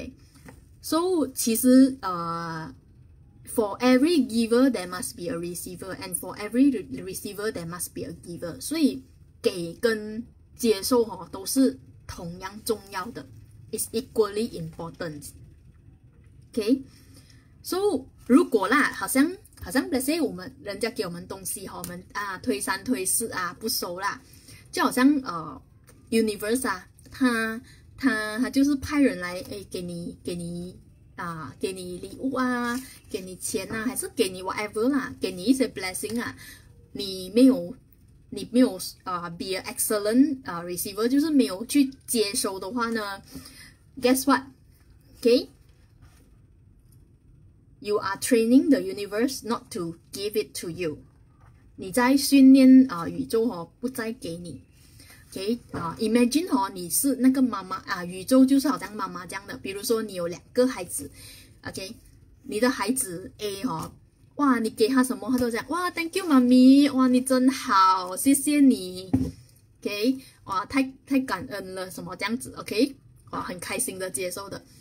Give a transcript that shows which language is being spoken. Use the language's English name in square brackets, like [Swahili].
[English] OK，so [Chinese] 其实 [English] for every giver there must be a receiver，and for every receiver there must be a giver。 [Chinese] 所以给跟接受都是同样重要的。 [English] Is equally important. [Chinese] Okay, so 如果啦，好像 [English] let's say [Chinese] 我们人家给我们东西我们推三推四不收啦，就好像universe 他就是派人来给你礼物啊，给你钱啊，还是给你 whatever 啦，给你一些 blessing 啊，你没有 [English] be an excellent receiver， [Chinese] 就是没有去接收的话呢？ [English] Guess what? Okay? You are training the universe not to give it to you. [Chinese] 你在训练宇宙哦，不再给你。 Imagine 哦，你是那个妈妈啊，宇宙就是好像妈妈这样的。比如说你有两个孩子，OK，你的孩子 A 哦，哇，你给他什么，他都讲哇， [English] Thank you [Chinese] 妈咪，哇，你真好，谢谢你，OK，哇，太感恩了，什么这样子，OK，哇，很开心的接受的。